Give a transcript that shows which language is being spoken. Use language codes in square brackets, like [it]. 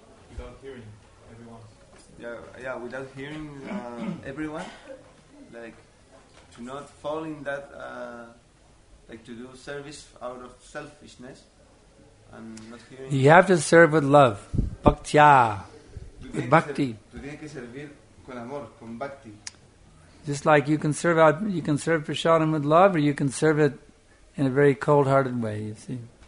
[en] Without hearing everyone. Yeah, without hearing everyone. Like, to not fall in that, like to do service out of selfishness and not hearing. You have to serve with love. Bhaktya. With bhakti. [es] Tú tienes que servir con amor, con bhakti. [en] Just like you can serve prasadam with love, or you can serve it in a very cold hearted way, you see.